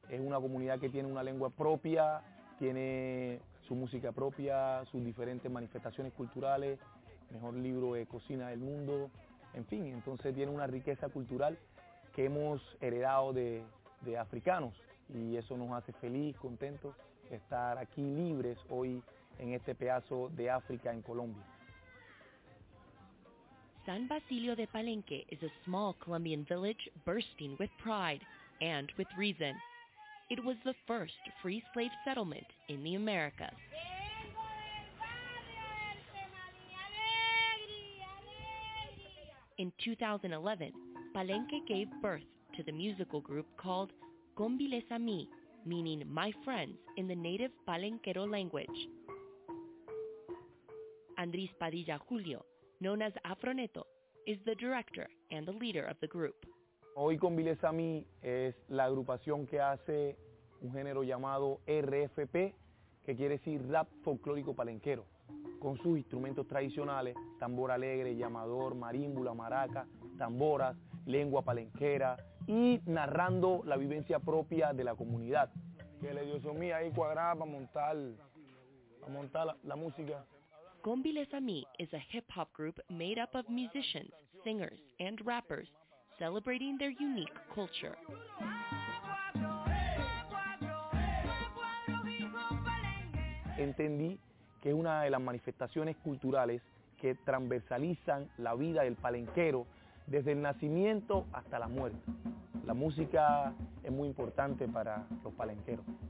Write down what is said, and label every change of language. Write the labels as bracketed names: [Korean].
[Spanish] Es una comunidad que tiene una lengua propia, tiene su música propia, sus diferentes manifestaciones culturales, mejor libro de cocina del mundo, en fin. Entonces tiene una riqueza cultural que hemos heredado de africanos y eso nos hace feliz, contentos, estar aquí libres hoy en este pedazo de África en Colombia. [English] San Basilio de Palenque is a small Colombian village bursting with pride and with reason. It was the first free slave settlement in the Americas. In 2011, Palenque gave birth to the musical group called Combiles Ami, meaning my friends in the native Palenquero language. Andrés Padilla Julio, known as Afroneto, is the director and the leader of the group. [Spanish] Hoy Combiles Ami es la agrupación que hace un género llamado RFP, que quiere decir rap folclórico palenquero, con sus instrumentos tradicionales, tambor alegre, llamador, marímbula, maraca, tamboras, lengua palenquera, y narrando la vivencia propia de la comunidad. Que le dio su mía ahí cuadrada para montar, la música. [English] Combiles Ami is a hip-hop group made up of musicians, singers, and rappers celebrating their unique culture. [Spanish] Entendí que es una de las manifestaciones culturales que transversalizan la vida del palenquero desde el nacimiento hasta la muerte. La música es muy importante para los palenqueros.